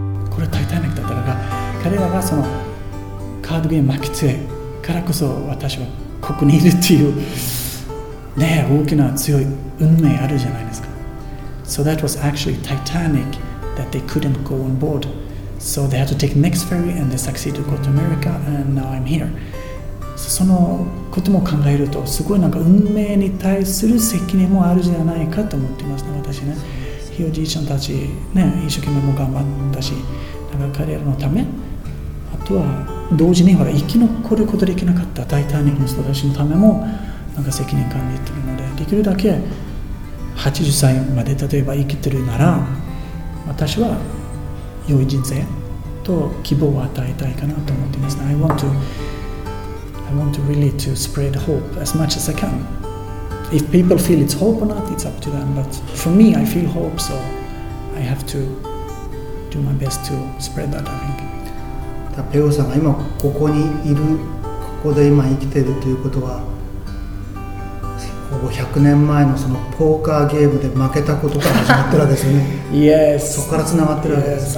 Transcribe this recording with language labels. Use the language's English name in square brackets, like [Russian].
[Japanese] これタイタニックだったのか。彼らがそのカードゲーム負けてからこそ私はここにいるっていうね、大きな強い運命あるじゃないですか。 [English] So that was actually Titanic that they couldn't go on board, so they had to take next ferry and they succeeded to go to America and now I'm here. [Japanese] そのことも考えるとすごい、なんか運命に対する責任もあるじゃないかと思ってますね、私ね。ひいおじいちゃんたちね、一生懸命も頑張ったし、だから彼らのため、あとは同時に、ほら、生き残ることができなかったタイタニックの人たちのためもなんか責任感じているので、できるだけ80歳まで例えば生きてるなら、私は良い人生と希望を与えたいかなと思っています。 [English] I want to really to spread hope as much as I can, If people feel it's hope or not, it's up to them. But for me, I feel hope, so I have to do my best to spread that, I think. [Japanese] ペオさんが今ここにいる、ここで今生きているということは、ほぼ100年前のそのポーカーゲームで負けたことから始まってるわけですよね。 [English] Yes. [Japanese] そこから繋がってるわけです。